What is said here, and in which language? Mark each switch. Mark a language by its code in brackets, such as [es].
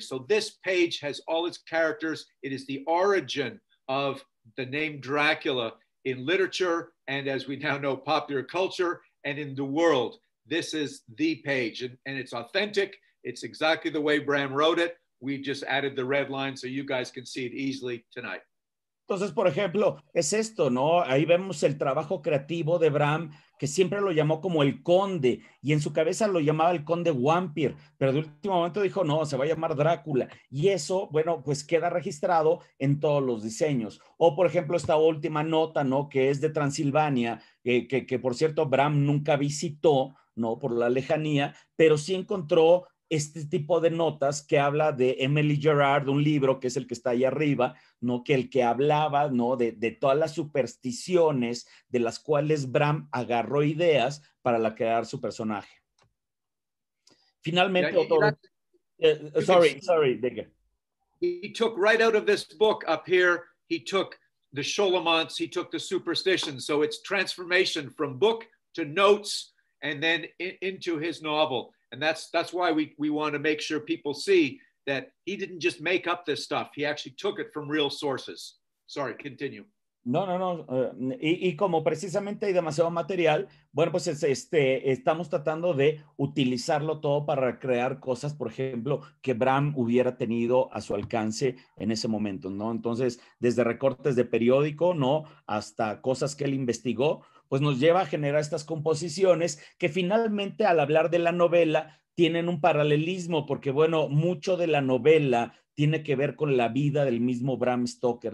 [en] So this page has all its characters. It is the origin of the name Dracula in literature and, as we now know, popular culture and in the world. This is the page, and it's authentic. It's exactly the way Bram wrote it. We just added the red line so you guys can see it easily tonight. [es] Entonces, por ejemplo, es esto, ¿no? Ahí vemos el trabajo creativo de Bram, que siempre lo llamó como el conde, y en su cabeza lo llamaba el conde Vampir, pero de último momento dijo, no, se va a llamar Drácula. Y eso, bueno, pues queda registrado en todos los diseños. O, por ejemplo, esta última nota, ¿no? Que es de Transilvania, que por cierto, Bram nunca visitó, ¿no? Por la lejanía, pero sí encontró este tipo de notas que habla de Emily Gerard, un libro que es el que está ahí arriba, ¿no? Que el que hablaba, ¿no? De todas las supersticiones de las cuales Bram agarró ideas para la crear su personaje. Finalmente, yeah, otro... [en] He took right out of this book up here, he took the Sholomants, he took the superstitions, so it's transformation from book to notes and then into his novel. And that's why we want to make sure people see that he didn't just make up this stuff. He actually took it from real sources. Sorry, continue. [es] No. Y como precisamente hay demasiado material, bueno, pues estamos tratando de utilizarlo todo para crear cosas, por ejemplo, que Bram hubiera tenido a su alcance en ese momento, ¿no? Entonces, desde recortes de periódico, ¿no? Hasta cosas que él investigó, pues nos lleva a generar estas composiciones que finalmente al hablar de la novela tienen un paralelismo, porque bueno, mucho de la novela tiene que ver con la vida del mismo Bram Stoker.